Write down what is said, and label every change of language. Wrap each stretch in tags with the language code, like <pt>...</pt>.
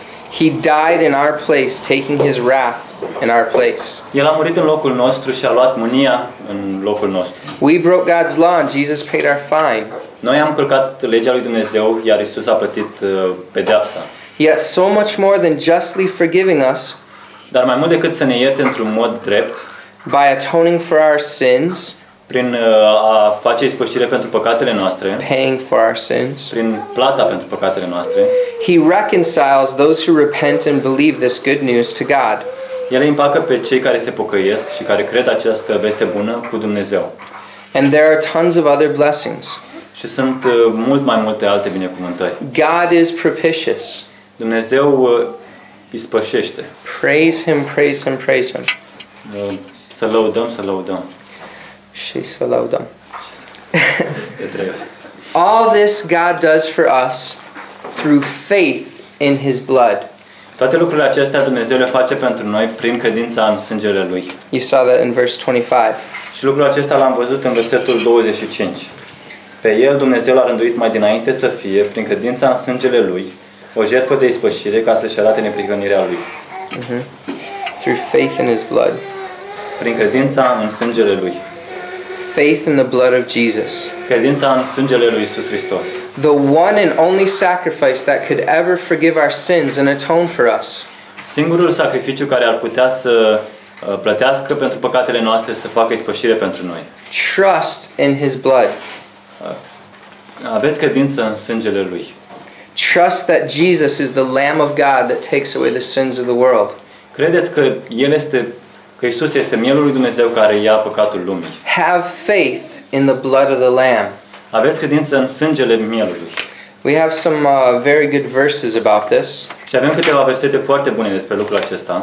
<en>He died in our place, taking his wrath in our place.</en> <ro>El a murit în locul nostru și a luat mânia în locul nostru.</ro> <en>We broke God's law, Jesus paid our fine.</en> <ro>Noi am călcat legea lui Dumnezeu, iar Isus a plătit pedeapsa.</ro> <en>Yet so much more than justly forgiving us.</en> <ro>Dar mai mult decât să ne ierte într-un mod drept,</ro> <en>by atoning for our sins,</en> <ro>prin a face ispășire pentru păcatele noastre,</ro> <en>paying for our sins,</en> <ro>prin plata pentru păcatele noastre,</ro> <en>he reconciles those who repent and believe this good news to God.</en> <ro>El îi împacă pe cei care se pocăiesc și care cred această veste bună cu Dumnezeu.</ro> <en>And there are tons of other blessings.</en> <ro>Și sunt mult mai multe alte binecuvântări.</ro> <en>God is propitious.</en> <ro>Dumnezeu ispășește.</ro> <en>Praise him, praise him, praise him.</en> <ro>Să lăudăm, să lăudăm. Și să lăudăm.</ro> <en>All this God does for us through faith in his blood.</en> <ro>Toate lucrurile acestea Dumnezeu le face pentru noi prin credința în sângele lui.</ro> <en>You saw that in verse 25.</en> <ro>Și lucrul acesta l-am văzut în versetul 25. Pe el Dumnezeu l-a rânduit mai dinainte să fie prin credința în sângele lui o jertfă de ispășire ca să-și arate neprihănirea lui.</ro> <en>Through faith in his blood.</en> <ro>Prin credința în sângele lui.</ro> <en>Faith in the blood of Jesus.</en> <ro>Credința în sângele lui Iisus Hristos.</ro> <en>The one and only sacrifice that could ever forgive our sins and atone for us.</en> <ro>Singurul sacrificiu care ar putea să plătească pentru păcatele noastre, să facă ispășire pentru noi.</ro> <en>Trust in his blood.</en> <ro>Aveți credință în sângele lui.</ro> <en>Trust that Jesus is the Lamb of God that takes away the sins of the world.</en> <ro>Credeți că El este, că Iisus este mielul lui Dumnezeu care ia păcatul lumii.</ro> <en>Have faith in the blood of the Lamb.</en> <ro>Aveți credință în sângele mielului.</ro> <en>We have some very good verses about this.</en> <ro>Și avem câteva versete foarte bune despre lucrul acesta.</ro>